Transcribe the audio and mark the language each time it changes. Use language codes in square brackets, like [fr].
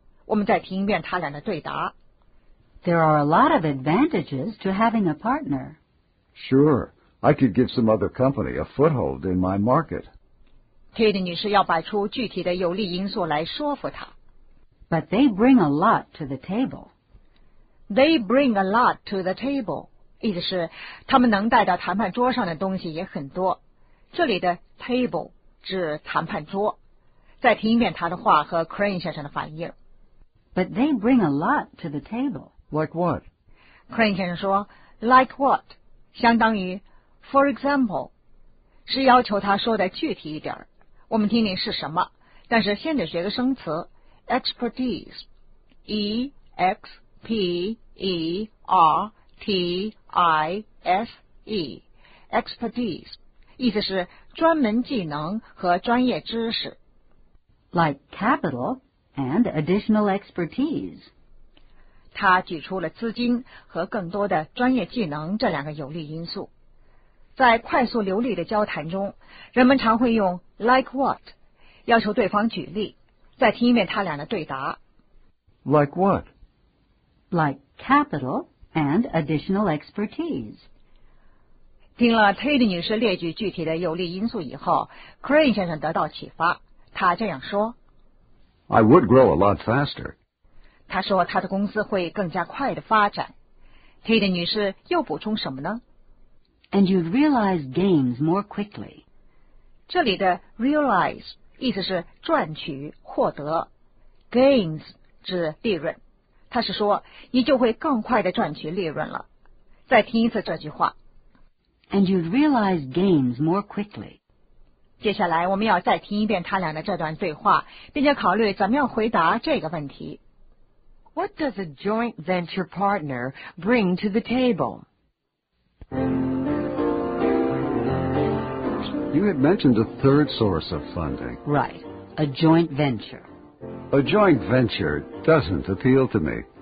[zh] 我们再听一遍他俩的对答。 [en] There are a lot of advantages to having a partner. Sure, I could give some other company a foothold in my market. [zh] Kate 女士要摆出具体的有利因素来说服他。 [en] But they bring a lot to the table. They bring a lot to the table. [zh] 意思是他们能带到谈判桌上的东西也很多。这里的 table 指谈判桌。再听一遍他的话和 Crane 先生的反应。 [en] But they bring a lot to the table. Like what? [zh] Crane 先生说 [en] like what [zh] 相当于 [en] for example [zh] 是要求他说的具体一点。我们听听是什么，但是先得学个生词。Expertise, E-X-P-E-R-T-I-S-E, expertise, 意思是专门技能和专业知识。 [en] Like capital and additional expertise. [zh] 他举出了资金和更多的专业技能这两个有利因素。在快速流利的交谈中，人们常会用 [en] like what, [zh] 要求对方举例。再听一遍他俩的对答。 [en] Like what? Like capital and additional expertise. [zh] 听了 Tate 女士列举具体的有利因素以后， Crane 先生得到启发，他这样说。 [en] I would grow a lot faster. [zh] 他说他的公司会更加快地发展。Tate 女士又补充什么呢？ [en] And you'd realize gains more quickly. [zh] 这里的 realize意思是赚取、获得 ，gains 指利润。他是说，你就会更快地赚取利润了。再听一次这句话。 [en] And you'd realize gains more quickly. [zh] 接下来我们要再听一遍他俩的这段对话，并且考虑怎么样回答这个问题。 [en] What does a joint venture partner bring to the table? You had mentioned a third source of funding. Right. A joint venture. A joint venture doesn't appeal to me.